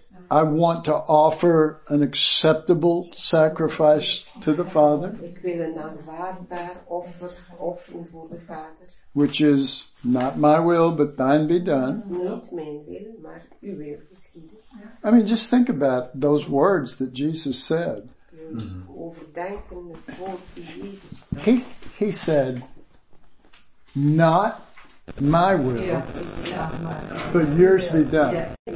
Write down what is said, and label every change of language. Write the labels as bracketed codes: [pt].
[en] I want to offer an acceptable sacrifice to the Father. [nl] Ik wil een aanvaardbaar offer offeren voor de Vader. [en] Which is not my will, but thine be done. [nl] Niet mijn wil, maar uw wil geschieden. [en] I mean, just think about those words that Jesus said. [nl] Overdenken het woord die Jezus. [en] He said, not my will, but yours be done.